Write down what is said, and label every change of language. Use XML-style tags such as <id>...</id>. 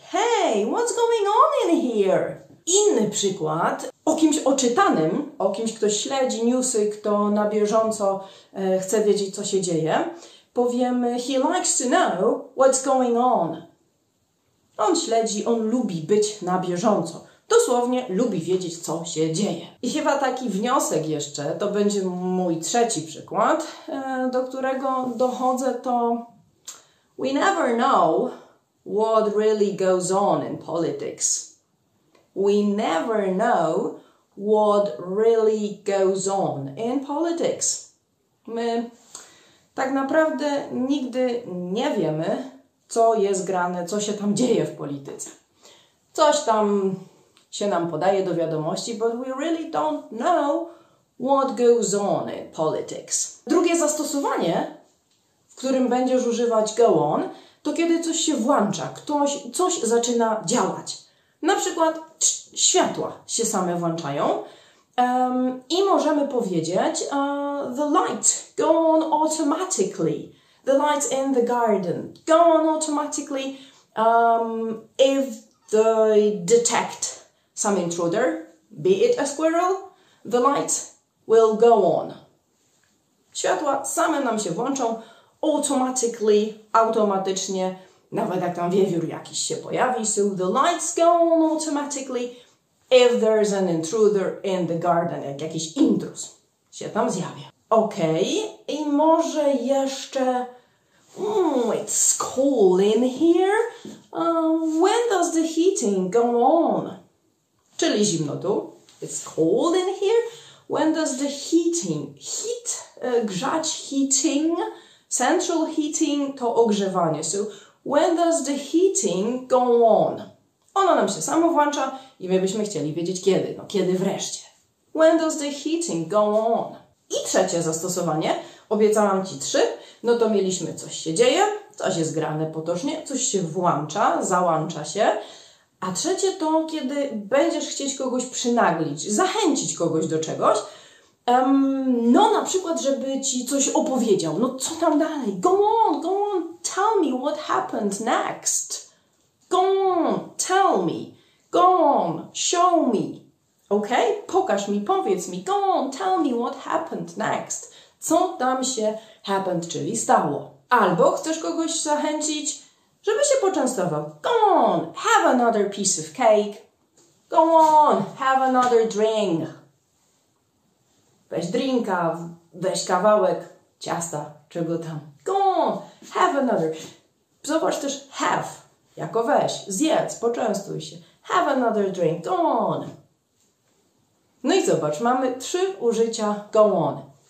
<en>Hey, what's going on in here?</en> <pl>Inny przykład o kimś oczytanym, o kimś, kto śledzi newsy, kto na bieżąco chce wiedzieć, co się dzieje, powiemy</pl> <en>he likes to know what's going on.</en> <pl>On śledzi, on lubi być na bieżąco. Dosłownie lubi wiedzieć, co się dzieje. I chyba taki wniosek jeszcze, to będzie mój trzeci przykład, do którego dochodzę, to</pl> <en>we never know what really goes on in politics. We never know what really goes on in politics.</en> <pl>My tak naprawdę nigdy nie wiemy, co jest grane, co się tam dzieje w polityce. Coś tam się nam podaje do wiadomości,</pl> <en>but we really don't know what goes on in politics.</en> <pl>Drugie zastosowanie, w którym będziesz używać go on, to kiedy coś się włącza, coś zaczyna działać. Na przykład światła się same włączają i możemy powiedzieć</pl> <en>the lights go on automatically. The lights in the garden go on automatically if they detect some intruder, be it a squirrel, the lights will go on.</en> <pl>Światła same nam się włączą automatically, automatycznie, nawet jak tam wiewiór jakiś się pojawi.</pl> <en>So the lights go on automatically if there's an intruder in the garden,</en> <pl>jak jakiś intruz się tam zjawia.</pl> <en>Okej, okay.</en> <pl>I może jeszcze</pl> <en>it's cool in here. When does the heating go on?</en> <pl>Czyli zimno tu.</pl> <en>It's cold in here. When does the heating heat, grzać heating? Central heating</en> <pl>to ogrzewanie.</pl> <en>So, when does the heating go on?</en> <pl>Ono nam się samo włącza i my byśmy chcieli wiedzieć kiedy. No, kiedy wreszcie.</pl> <en>When does the heating go on?</en> <pl>I trzecie zastosowanie. Obiecałam Ci trzy. No to mieliśmy coś się dzieje, coś jest grane potocznie, coś się włącza, załącza się. A trzecie to, kiedy będziesz chcieć kogoś przynaglić, zachęcić kogoś do czegoś, no na przykład, żeby Ci coś opowiedział. No co tam dalej?</pl> <en>Go on, tell me what happened next. Go on, tell me. Go on, show me. Ok?</en> <pl>Pokaż mi, powiedz mi.</pl> <en>Go on, tell me what happened next.</en> <pl>Co tam się happened, czyli stało. Albo chcesz kogoś zachęcić, żeby się poczęstował.</pl> <en>Go on, have another piece of cake. Go on, have another drink.</en> <pl>Weź drinka, weź kawałek ciasta, czego tam.</pl> <en>Go on, have another.</en> <pl>Zobacz też have, jako weź, zjedz, poczęstuj się.</pl> <en>Have another drink, go on.</en> <pl>No i zobacz, mamy trzy użycia go on.</pl>